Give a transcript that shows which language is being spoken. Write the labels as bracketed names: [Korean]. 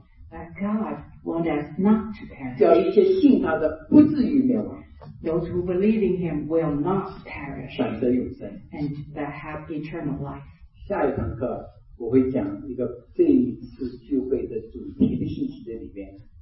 [English] But God wants us not to perish. [Chinese] 叫一切信他的不至于灭亡。 [English] Those who believe in Him will not perish. [Chinese] 反正有生。 [English] And that have eternal life. [Chinese] 下一堂课我会讲一个这一次聚会的主题的信息在里面。